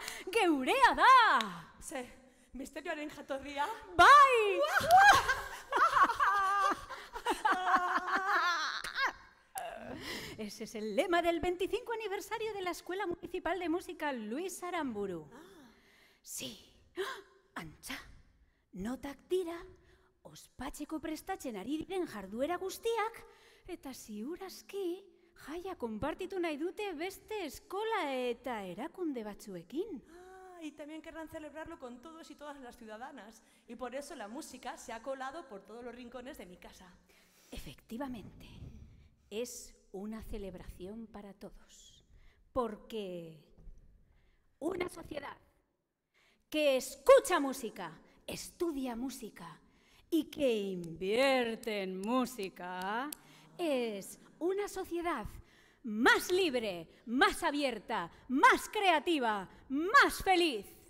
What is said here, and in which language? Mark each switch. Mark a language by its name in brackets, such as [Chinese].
[Basque] ¡Geurea da! Sí, misterioaren jatorria. ¡Bai! [Spanish] Ese es el lema del 25 aniversario de la Escuela Municipal de Música Luis Aramburu. [Basque] Sí, antza, notak dira, ospatzeko prestatzen ari diren jarduera guztiak, eta ziur aski Jaia konpartitu nahi dute beste eskola eta erakunde batzuekin. [Spanish] Ah, y también querrán celebrarlo con todos y todas las ciudadanas. Y por eso la música se ha colado por todos los rincones de mi casa. Efectivamente, es una celebración para todos. Porque una sociedad que escucha música, estudia música y que invierte en música es una sociedad más libre, más abierta, más creativa, más feliz.